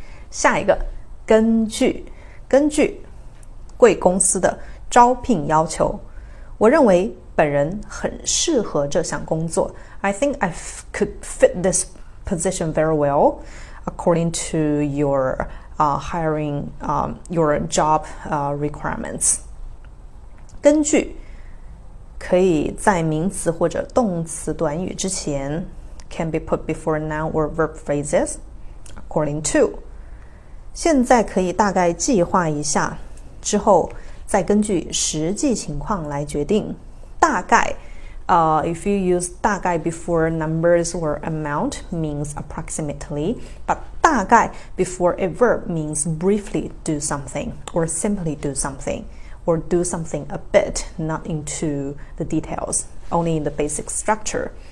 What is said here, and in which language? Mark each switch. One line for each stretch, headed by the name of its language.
Chinese: 下一个根据根据贵公司的招聘要求我认为本人很适合这项工作。
English: I think I could fit this position very well, according to your hiring, your job requirements.
Chinese: 根据可以在名词或者动词短语之前
English: can be put before noun or verb phrases, according to.
Chinese: 现在可以大概计划一下，之后再根据实际情况来决定大概
English: If you use 大概 before numbers or amount means approximately, but 大概 before a verb means briefly do something or simply do something or do something a bit, not into the details, only in the basic structure.